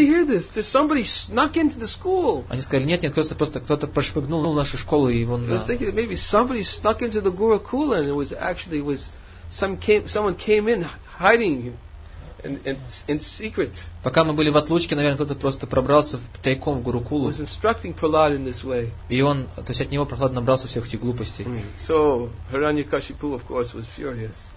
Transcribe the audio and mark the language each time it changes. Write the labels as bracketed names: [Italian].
[Russian] Они сказали, нет, просто кто-то прошмыгнул в нашу школу и вон. [English] I was thinking that maybe somebody snuck into the Gurukula and it was someone came in hiding in secret. [Russian] Пока мы были в отлучке, наверное, кто-то просто пробрался тайком в Гурукулу. [English] Was instructing Prahlad in this way. [Russian] И он, то есть от него Прохлад набрался всех этих глупостей. Mm. [English] So Hiranyakashipu, of course, was furious.